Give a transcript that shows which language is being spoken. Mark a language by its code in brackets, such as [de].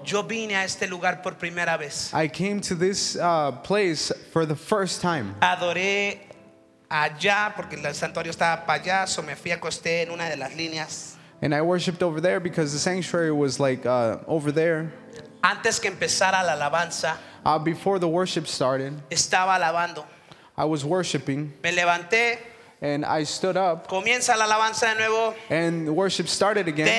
[es] Yo vine a este lugar por primera vez. [en] I came to this place for the first time. [es] Adoré allá porque el santuario estaba para allá, so me fui a acosté en una de las líneas. [en] And I worshiped over there because the sanctuary was like over there. [es] Antes que empezara la alabanza, [en] before the worship started, [es] estaba alabando. [en] I was worshiping. [es] Me levanté. [en] And I stood up. [es] Comienza la alabanza de nuevo. [en] And worship started again.